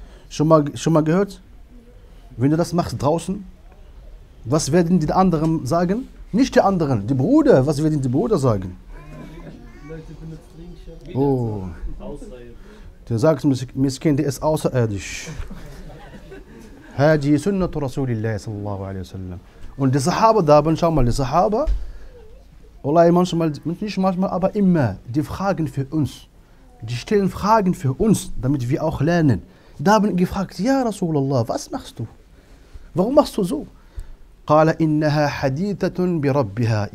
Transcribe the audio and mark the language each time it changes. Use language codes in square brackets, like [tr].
[de] Schon mal gehört? Wenn du das machst draußen, was werden die anderen sagen? Nicht die anderen, die Brüder. Was werden die Brüder sagen? Oh. Der sagt, Miskin, der ist außerirdisch. [ar] هذه سنة رسول الله صلى الله عليه وسلم. [de] Und die Sahaba, da haben schon mal die Sahaba, wallahi manchmal, nicht manchmal, aber immer, die fragen für uns. Die stellen Fragen für uns, damit wir auch lernen. Da haben gefragt, ja Rasulullah, was machst du? Warum machst du so? [ar] قال إنها حديثة بربها.